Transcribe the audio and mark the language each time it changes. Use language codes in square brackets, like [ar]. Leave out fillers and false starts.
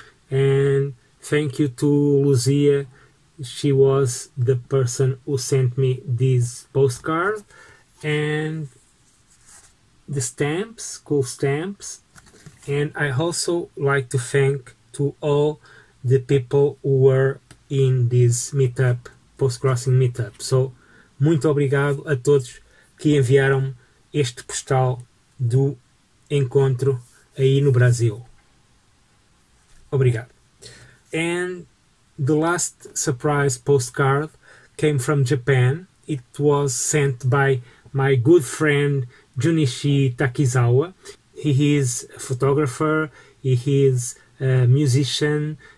[en] And thank you to Luzia. She was the person who sent me this postcard and the stamps, cool stamps. And I also like to thank to all the people who were in this meetup, postcrossing meetup. [pt] So muito obrigado a todos que enviaram este postal do encontro aí no Brasil. Obrigado. [en] And the last surprise postcard came from Japan. It was sent by my good friend Junichi Takizawa. He is a photographer, he is a musician.